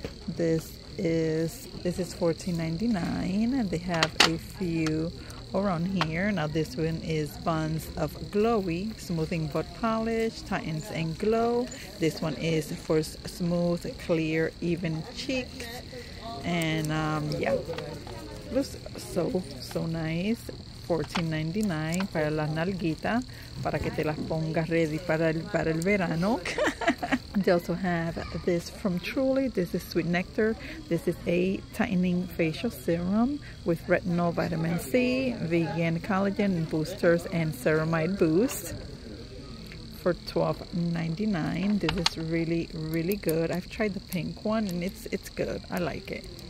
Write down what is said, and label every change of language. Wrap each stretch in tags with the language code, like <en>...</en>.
<en>This is $14.99, and they have a few around here. Now this one is Buns of Glowy, smoothing but polish, tightens and glow. This one is for smooth, clear, even cheeks. And yeah, looks so nice.</en> <es>$14.99 para las nalguitas, para que te las pongas ready para el verano.</es> <en>They also have this from Truly. This is Sweet Nectar. This is a tightening facial serum with retinol, vitamin C, vegan collagen boosters, and ceramide boost for $12.99. This is really, really good. I've tried the pink one and it's good. I like it.</en>